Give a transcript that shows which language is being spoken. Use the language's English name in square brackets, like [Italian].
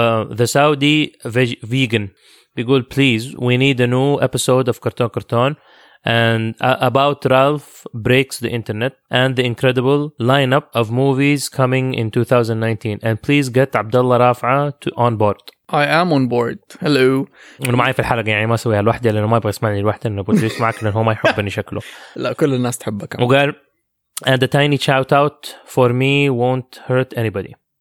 [English] The Saudi vegan [Arabic] بيقول [English] please we need a new episode of Cartoon Cartoon and about Ralph breaks the internet and the incredible lineup of movies coming in 2019 and please get Abdullah رافعة to on board. I am on board. Hello. [Arabic] أنا معي في الحلقة, يعني ما سويها لوحدي لأنه ما يبغى يسمعني لوحدي, إنه بقول يسمعك لأنه هو ما يحبني شكله. لا, كل الناس تحبك. وقال [English] and a tiny shout out for me won't hurt anybody.